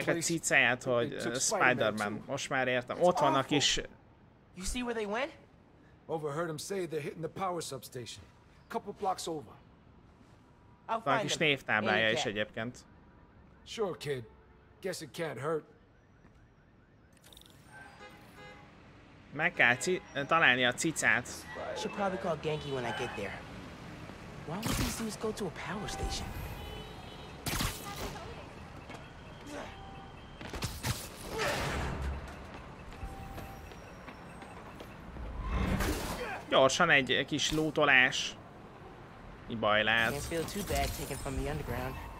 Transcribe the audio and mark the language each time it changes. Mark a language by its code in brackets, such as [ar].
[hu] Úgy hívják a cicáját, hogy Spider-Man. Most már értem. Ott vannak is. [en] You see where they went? Overheard them say they're hitting the power substation. Couple blocks over. [hu] Van kis névtáblája is egyébként. [en] Sure, kid. Guess it can't hurt. [hu] Meg kell találni a cicát. [en] She'll probably call Genki when I get there. Why would these dudes go to a power station? [hu] Gyorsan egy kis lootolás. Mi baj lehet? [en] Can't feel too bad taken from the underground.